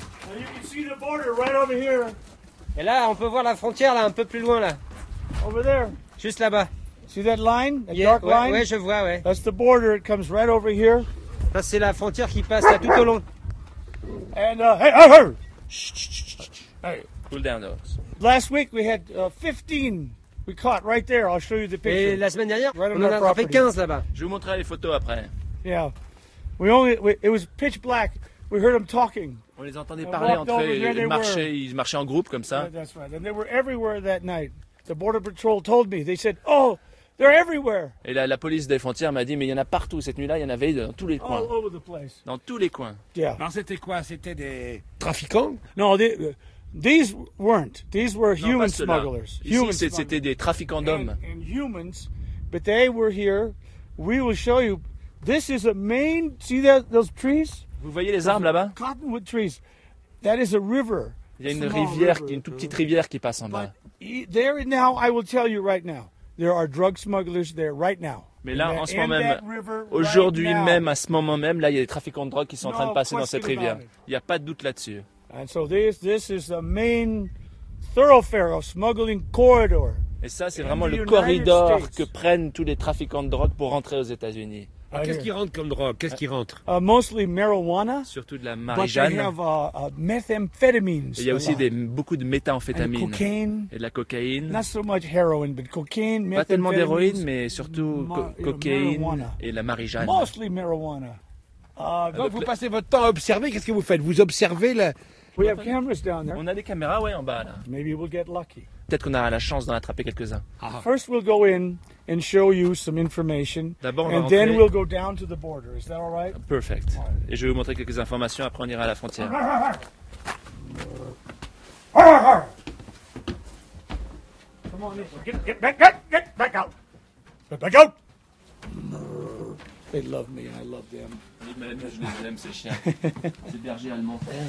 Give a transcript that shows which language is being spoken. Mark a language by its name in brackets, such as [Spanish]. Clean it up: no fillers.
[English] And you can see the border right over here. [French] Et là, on peut voir la frontière là, un peu plus loin là. [English] Over there. [French] Juste là-bas. [English] See that line, that dark line? [French] Ouais, je vois, ouais. [English] That's the border. It comes right over here. [French] Ça c'est la frontière qui passe là, tout au long. [English] And hey, hey. Cool down, dogs. Last week we had 15. We caught right there. I'll show you the picture. [French] Et la semaine dernière, right on en a attrapé 15 là-bas. Je vous montrerai les photos après. [English] Yeah. We it was pitch black. We heard them talking. [French] On les entendait parler entre eux. Ils marchaient en groupe comme ça. [English] Yeah, that's right. And they were everywhere that night. The border patrol told me. They said, "Oh, They're everywhere. [French] Et la police des frontières m'a dit, mais il y en a partout cette nuit-là, il y en avait dans tous les coins. [English] All over the place. [French] Dans tous les coins. [English] Yeah. [French] Non, c'était quoi? C'était des trafiquants? [English] Non, these weren't. These were human smugglers. [French] Ici, c'était des trafiquants d'hommes. [English] And humans, but they were here. We will show you. This is a main. See that those trees? [French] Vous voyez les arbres là-bas? [English] Cottonwood trees. That is a river. [French] Il y a une rivière, qui est une toute petite rivière qui passe en bas. [English] There now, I will tell you right now. There are drug smugglers there right now. [French] Mais là, en ce moment même, aujourd'hui même, à ce moment même, là, il y a des trafiquants de drogue qui sont en train de passer dans cette rivière. Il n'y a pas de doute là-dessus. [English] And so this is the main thoroughfare of smuggling corridor. [French] Et ça, c'est vraiment le corridor que prennent tous les trafiquants de drogue pour rentrer aux États-Unis. Qu'est-ce qui rentre comme drogue? Qu'est-ce qui rentre? [English] Mostly marijuana. [French] Surtout de la marijuana. [English] But they have methamphetamines. [French] Il y a aussi beaucoup de méthamphétamines. [English] And cocaine. [French] Et de la cocaïne. [English] Not so much heroin, but cocaine. [French] Pas tellement d'héroïne, mais surtout cocaïne et la marijuana. [English] Mostly marijuana. [French] Donc vous passez votre temps à observer. Qu'est-ce que vous faites? Vous observez la. [English] We have cameras down there. [French] On a des caméras, ouais, en bas là. [English] Maybe we'll get lucky. [French] Peut-être qu'on aura la chance d'en attraper quelques-uns. [English] First we'll go in and show you some information. [French] D'abord, [English] and then we'll go down to the border. Is that all right? Perfect. [French] Et je vais vous montrer quelques informations, après on ira à la frontière. [English] Come on, get back out. They love me and I love them. [French] Je les aime ces chiens. Ces bergers allemands.